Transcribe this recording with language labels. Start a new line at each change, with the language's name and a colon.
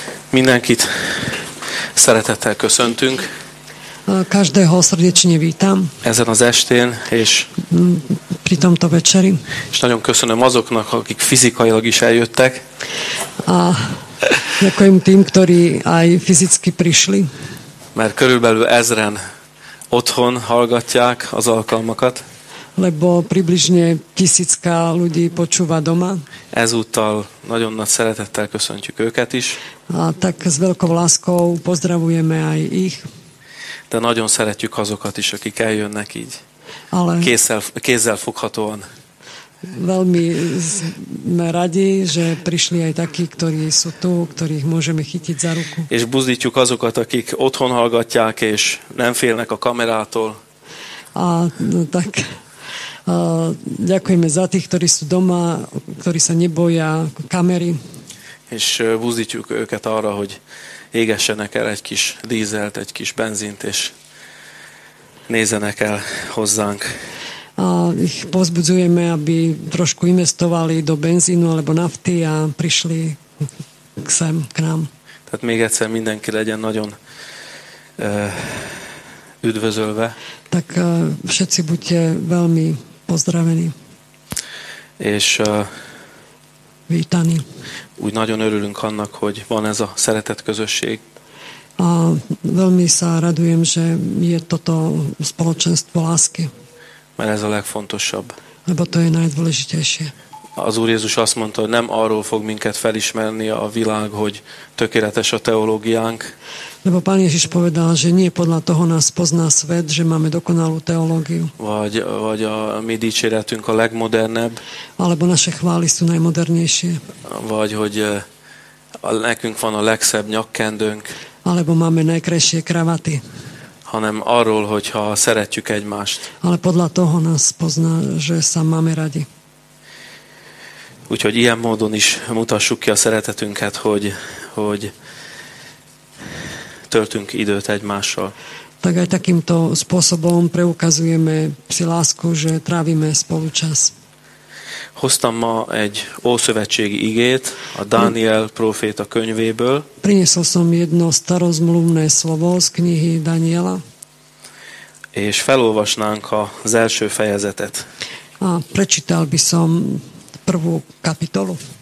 Hungarian: Mindenkit szeretettel köszöntünk.
Slovak: Každého srdečne vítam.
Hungarian: Ezen az estén és
Slovak: pri tomto večeri.
Hungarian: És nagyon köszönöm azoknak, akik fizikailag is eljöttek.
Slovak: A ďakujem tým, ktorí aj fyzicky prišli.
Hungarian: Mert körülbelül ezren otthon hallgatják az alkalmakat.
Slovak: Lebo približne tisícka ľudí počúva doma.
Hungarian: Ezúttal nagyon nagy szeretettel köszöntjük őket is.
Slovak: A tak s veľkou láskou pozdravujeme aj ich.
Hungarian: De nagyon szeretjük azokat is, akik eljönnek így. Ale kézzel foghatóan.
Slovak: Veľmi sme radi, že prišli aj takí, ktorí sú tu, ktorých môžeme chytiť za ruku.
Hungarian: És buzdítjuk azokat, akik otthon hallgatják és nem félnek a kamerától.
Slovak: A no, tak ďakujeme za tých, ktorí sú doma, ktorí sa neboja kamery.
Hungarian: És buzdítjuk őket arra, hogy égessenek el egy kis dízelt, egy kis benzint, és nézzenek el hozzánk.
Slovak: A ich pozbudzujeme, aby trošku investovali do benzínu alebo nafty a prišli sem k nám.
Hungarian: Tehát még egyszer mindenki legyen nagyon üdvözölve.
Slovak: Tak všetci buďte veľmi pozdravení.
Hungarian: És
Slovak: vítani.
Hungarian: Úgy nagyon örülünk annak, hogy van ez a szeretett közösség.
Slovak: A veľmi sa radujem, že je toto spoločenstvo lásky.
Hungarian: Mert ez a legfontosabb.
Slovak: Lebo to je najdôležitejšie.
Hungarian: Az Úr Jézus azt mondta, hogy nem arról fog minket felismerni a világ, hogy tökéletes a teológiánk.
Slovak: Lebo Pán Ježiš povedal, že nie podľa toho nás pozná svet, že máme dokonalú teológiu.
Hungarian: Vagy a mi dicséretünk a legmodernebb.
Slovak: Alebo naše chvály sú najmodernejšie.
Hungarian: Vagy hogy nekünk van a legszebb nyakkendőnk.
Slovak: Alebo máme najkrajšie kravaty.
Hungarian: Hanem arról, hogyha szeretjük egymást.
Slovak: Ale podľa toho nás pozná, že sa máme radi.
Hungarian: Úgyhogy ilyen módon is mutassuk ki a szeretetünket, hogy töltünk időt egymással.
Slovak: Tak aj takýmto spôsobom preukazujeme si lásku, že trávime spolu čas.
Hungarian: Hoztam ma egy ószövetségi igét a Dániel proféta könyvéből.
Slovak: Prinesol som jedno starozmluvné slovo z knihy Daniela.
Hungarian: És felolvasnánk az első fejezetet.
Slovak: A prečítal by som prvú kapitolu.